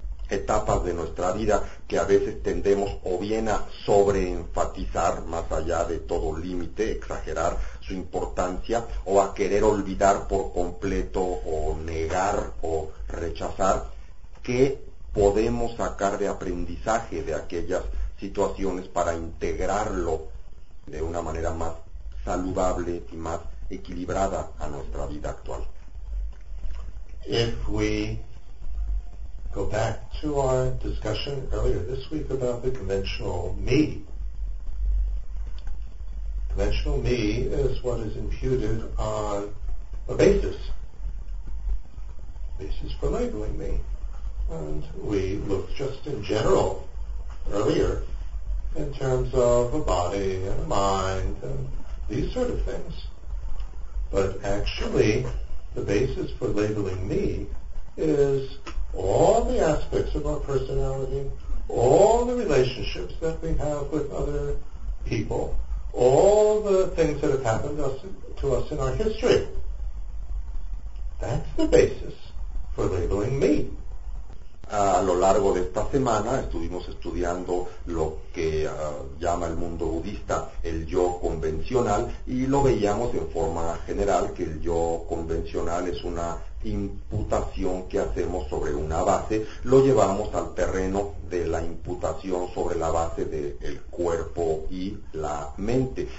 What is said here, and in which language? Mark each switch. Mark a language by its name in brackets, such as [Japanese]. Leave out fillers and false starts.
[Spanish] etapas de nuestra vida que a veces tendemos o bien a sobreenfatizar más allá de todo límite, exagerar su importancia, o a querer olvidar por completo o negar o rechazar, que podemos sacar de aprendizaje de aquellas situaciones para integrarlo de una manera más saludable y más equilibrada a nuestra vida actual. [English] If we go back to our discussion earlier this week about the conventional me is what is imputed on a basis for labeling me. And we look just in general earlier in terms of a body and a mind and these sort of things. But actually, the basis for labeling me is all the aspects of our personality, all the relationships that we have with other people, all the things that have happened to us in our history. That's the basis for labeling me. [Spanish] A lo largo de esta semana estuvimos estudiando lo que llama el mundo budista el yo convencional y lo veíamos en forma general que el yo convencional es una imputación que hacemos sobre una base, lo llevamos al terreno de la imputación sobre la base del cuerpo y la mente.